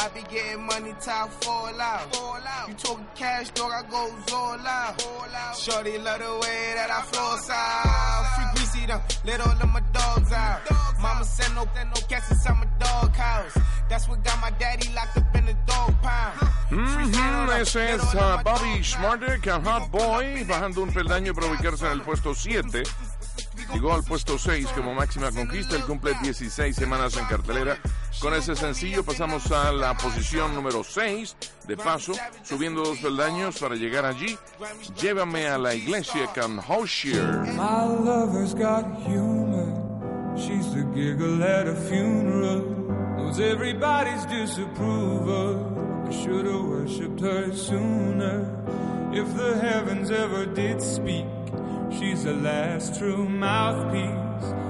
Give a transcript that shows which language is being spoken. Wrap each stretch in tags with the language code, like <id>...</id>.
<en>I be getting money till I fall out, fall out. You talking cash, dog, I goes all out, fall out. Shorty love the way that I floss out. Freak we see them, let all of my dogs out. Mama send no cats inside my dog house. That's what got my daddy locked up in the dog pound.</en> <es>Ese es Bobby Smartick, a hot boy, bajando un peldaño para ubicarse en el puesto 7. Llegó al puesto 6 como máxima conquista. Él cumple 16 semanas en cartelera. Con ese sencillo pasamos a la posición número 6. De paso, subiendo dos peldaños para llegar allí. Llévame a la iglesia con Hoshier.</es> <en>My lover's got humor. She's a giggle at a funeral. Knows everybody's disapproval. Should have worshipped her sooner. If the heavens ever did speak, she's the last true mouthpiece.</en>